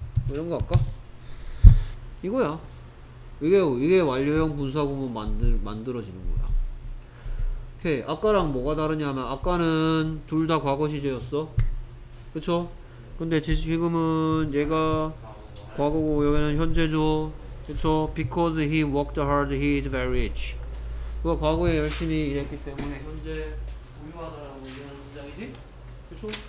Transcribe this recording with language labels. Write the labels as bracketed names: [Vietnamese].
[Korean] 이런 거 할까? 이거야. 이게 완료형 분사구문 만들어지는 거야. 오케이. 아까랑 뭐가 다르냐면 아까는 둘 다 과거 시제였어. 그쵸? 근데 지금은 얘가 과거고 여기는 현재죠. 그쵸? [English] Because he worked hard, he is very rich. [Korean] 그거 과거에 열심히 일했기 때문에 현재 부유하다라고 얘기하는 문장이지? 그쵸?